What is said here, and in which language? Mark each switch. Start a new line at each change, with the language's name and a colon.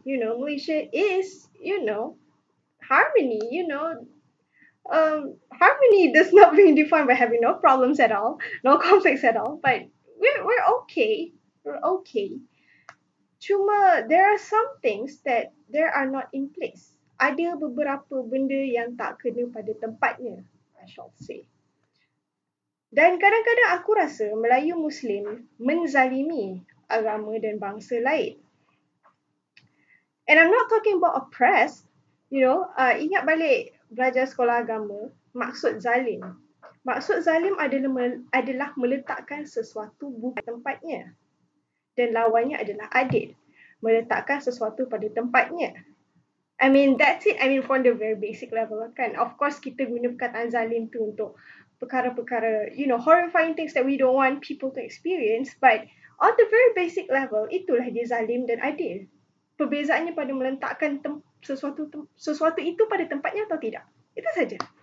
English: You know, Malaysia is, you know, harmony, you know. Harmony does not mean defined by having no problems at all, no conflicts at all, but we're okay. Cuma there are some things that there are not in place.
Malay: Ada beberapa benda yang tak kena pada tempatnya,
English: I shall say.
Malay: Dan kadang-kadang aku rasa Melayu Muslim menzalimi agama dan bangsa lain.
English: And I'm not talking about oppressed, you know.
Malay: Ingat balik belajar sekolah agama, maksud zalim. Maksud zalim adalah meletakkan sesuatu bukan tempatnya. Dan lawannya adalah adil, meletakkan sesuatu pada tempatnya.
English: I mean, that's it. I mean, from the very basic level, kan? Of course,
Malay: kita guna perkataan zalim tu untuk perkara-perkara,
English: you know, horrifying things that we don't want people to experience. But on the very basic level,
Malay: itulah dia zalim dan adil. Perbezaannya pada meletakkan sesuatu itu pada tempatnya atau tidak. Itu saja.